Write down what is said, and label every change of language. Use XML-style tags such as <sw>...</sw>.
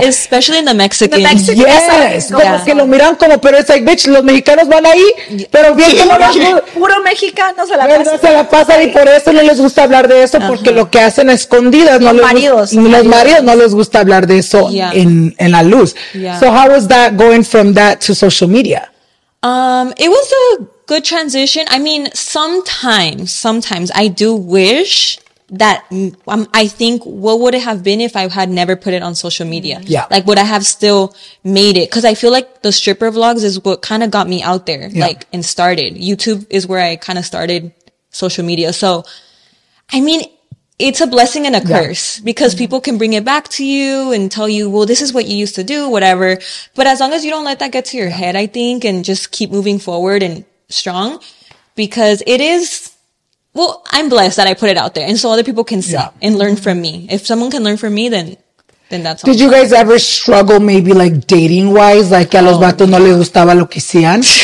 <en>Especially in the Mexican. The Mexican. Yes.</en> <es>Que lo miran como, pero</es> <en>it's like, bitch,</en> <es>los mexicanos van ahí, pero bien que lo puro mexicano se la pasa. Se la pasa y por eso no les gusta hablar de eso, porque lo que hacen a escondidas. Los maridos no les gusta hablar de eso en la luz.</es> <en>So how was that going from that to social media? It was a good transition. I mean, sometimes I do wish that I think what would it have been if I had never put it on social media? Yeah. Like, would I have still made it? Cause I feel like the stripper vlogs is what kind of got me out there, like, and started. YouTube is where I kind of started social media. So, I mean, it's a blessing and a curse because people can bring it back to you and tell you, well, this is what you used to do, whatever. But as long as you don't let that get to your head, I think, and just keep moving forward and strong, because it is, well, I'm blessed that I put it out there. And so other people can see and learn from me. If someone can learn from me, then that's all. Did you guys ever struggle maybe like dating wise? Like,</en> <es>a los vatos no les gustaba lo que hacían.</es>